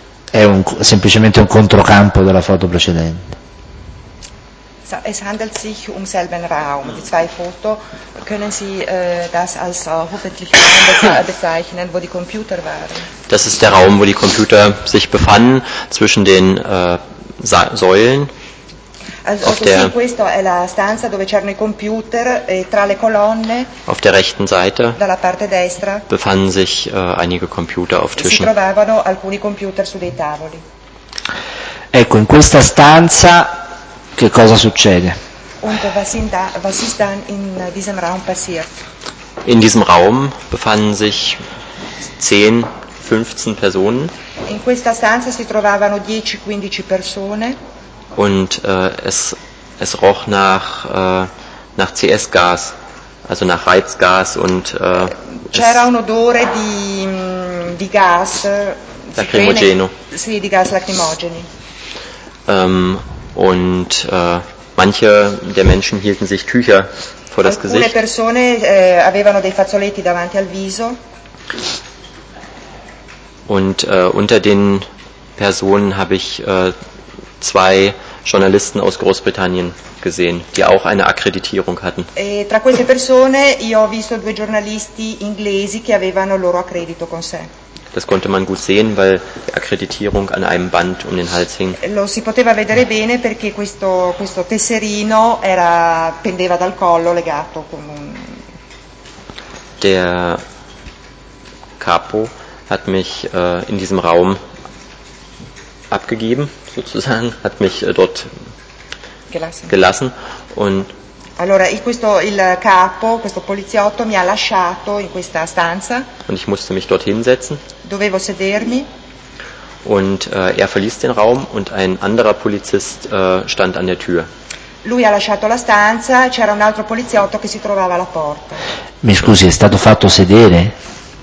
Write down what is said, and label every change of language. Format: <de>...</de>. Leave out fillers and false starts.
<it>È un, semplicemente un controcampo della foto precedente.</it> <de>So, es handelt sich um selben Raum. Die zwei Foto können Sie das als hoffentlich bezeichnen, wo die Computer waren. Das ist der Raum, wo die Computer sich befanden zwischen den Säulen.</de> <it>Also, questo è la stanza dove c'erano i computer e tra le colonne.</it> <de>Auf der rechten Seite.</de> <it>Dalla parte destra.</it> <de>Befanden sich einige Computer auf Tischen.</de> <it>Si trovavano alcuni computer su dei tavoli. Ecco, in questa stanza che cosa succede?</it> <de>Und was ist dann in diesem Raum passiert? In diesem Raum befanden sich 10, 15 Personen.</de> <it>In questa stanza si trovavano 10, 15 persone.</it> <de>Und es roch nach CS-Gas, also nach Reizgas und</de> <it>c'era un odore di gas lacrimogeno. Sì, di gas lacrimogeni.</it> <de>Und manche der Menschen hielten sich Tücher vor das Gesicht.</de> <it>Alcune persone avevano dei fazzoletti davanti al viso.</it> <de>Und unter den Personen habe ich zwei Journalisten aus Großbritannien gesehen, die auch eine Akkreditierung hatten.</de> <it>Tra queste persone io ho visto due giornalisti inglesi che avevano il loro accredito con sé.</it> <de>Das konnte man gut sehen, weil die Akkreditierung an einem Band um den Hals hing.</de> <it>Lo si poteva vedere bene perché questo tesserino era pendeva dal collo legato con un.</it> <de>Der Capo hat mich in diesem Raum abgegeben. Sozusagen hat mich dort gelassen. Und</de> <it>allora, il capo, questo poliziotto mi ha lasciato in questa stanza.</it> <de>Und ich musste mich dort hinsetzen.</de> <it>Dovevo sedermi.</it> <de>Und er verließ den Raum und ein anderer Polizist stand an der Tür.</de> <it>Lui ha lasciato la stanza, c'era un altro poliziotto che si trovava alla porta. Mi scusi, è stato fatto sedere?</it>